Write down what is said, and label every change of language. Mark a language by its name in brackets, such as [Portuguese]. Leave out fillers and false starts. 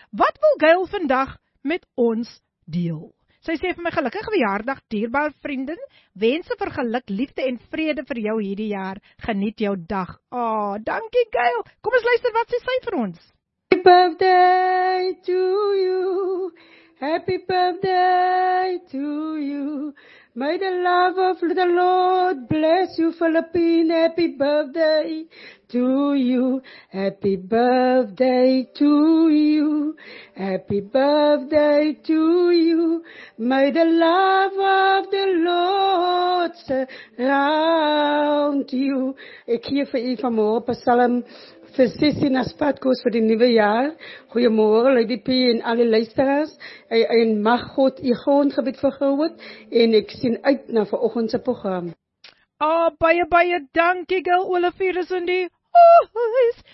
[Afrikaans] Wat wil Gail vandag met ons deel? Sy sê vir my, gelukkige verjaardag, dierbare vriendin, wense vir geluk, liefde en vrede vir jou hierdie jaar. Geniet jou dag. Oh, dankie Gail. Kom ons luister wat sy sê vir ons. [English] Happy birthday to you. Happy birthday to you. May the love of the Lord bless you, Philippine. Happy birthday to you. Happy birthday to you. Happy birthday to you. May the love of the Lord surround you. [Afrikaans] Ek hier vir u vanmôre op Psalm vir 16 as padkoers vir die nuwe jaar. Goeiemôre, Lady P en alle luisteraars. En mag God u grondgebied vergroot. En ek sien uit na vanoggend se program. Oh, baie, baie dankie, Gil Olivier is in die huis.